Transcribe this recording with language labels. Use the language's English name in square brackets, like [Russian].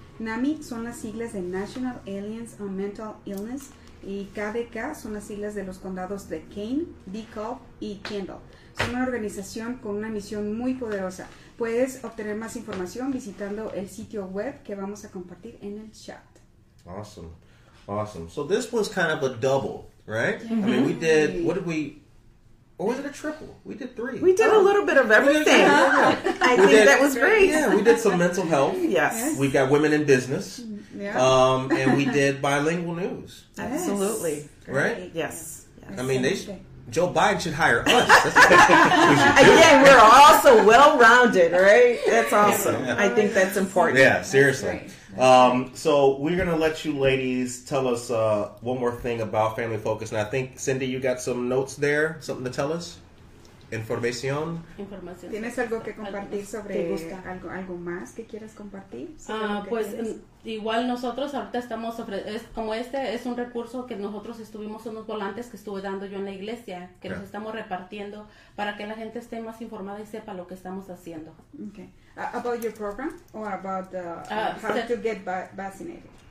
[Spanish] NAMI son las siglas de National Alliance on Mental Illness y KDK son las siglas de los condados de Kane, DeKalb y Kendall. Son una organización con una misión muy poderosa. Puedes obtener más información visitando el sitio web que vamos a compartir en el chat. [English] Awesome. Awesome. So this was kind of a double, right? Mm-hmm. I mean, we did, what did we, or was it a triple? We did three. We did a little bit of everything. Yeah. I think that was great. Yeah, we did some mental health. Yes. We've got women in business. Yeah. And we did bilingual news. Absolutely. Right? Yes. I mean, Joe Biden should hire us. Again, we're all so well-rounded, right? That's awesome. Yeah. I think that's important. Yeah, seriously. So we're going to let you ladies tell us one more thing about Family Focus. And I think, Cindy, you got some notes there, something to tell us? [Spanish] Información. Información. ¿Tienes algo que compartir sobre algo más que quieras compartir? Pues igual nosotros ahorita estamos como este es un recurso que nosotros estuvimos unos volantes que estuve dando yo en la iglesia, que nos estamos repartiendo para que la gente esté más informada y sepa lo que estamos haciendo. [English] Okay. About your program or about how to get vaccinated?